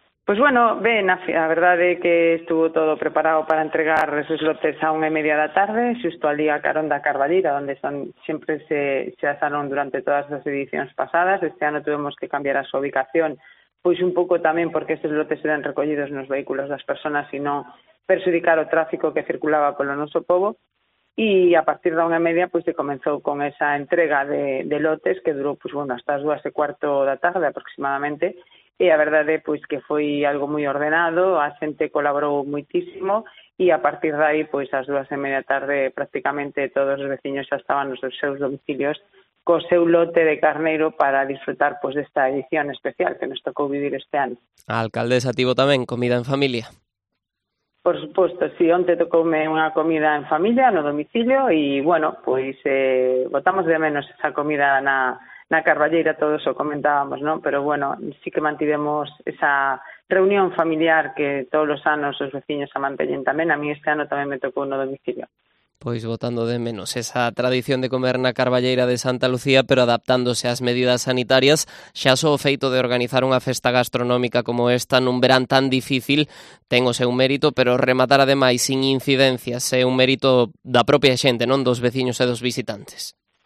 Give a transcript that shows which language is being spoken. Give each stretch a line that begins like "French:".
Galician: Pois bueno, ben, a verdade é que estuvo todo preparado para entregar esos lotes a 1:30 da tarde, xusto ali a carón da Carballeira, onde sempre se asaron durante todas as edicións pasadas. Este ano tuvemos que cambiar a súa ubicación, pois un pouco tamén porque esos lotes eran recollidos nos vehículos das personas e non perxudicar o tráfico que circulaba polo noso povo.
Spanish: y a partir de 1:30 pues se comenzó con esa entrega de lotes que duró pues bueno hasta las 2:15 de la tarde aproximadamente.
Galician: Y a verdade pues que foi algo moi ordenado, a xente colaborou moitísimo e a partir de aí pues ás 2:30 da tarde prácticamente todos os veciños xa estaban nos seus domicilios co seu lote de carneiro para disfrutar pues desta edición especial que nos tocou vivir este ano. A alcaldesa tivo tamén comida en familia. Por suposto, si onte tocoume unha comida en familia no domicilio e bueno, pues botamos de menos esa comida na Carballeira, todo eso comentábamos, ¿no? Pero bueno, sí que mantivemos esa reunión familiar
Spanish: que todos los años los vecinos se mantienen también. A mí este año también me tocó uno domicilio.
Galician: Pues botando de menos esa tradición de comer na Carballeira de Santa Lucía, pero adaptándose ás medidas sanitarias, xa só o feito de organizar unha festa gastronómica como esta nun verán tan difícil, ten o seu mérito, pero rematar ademais sin incidencias é un mérito da propia xente, non dos veciños e dos visitantes.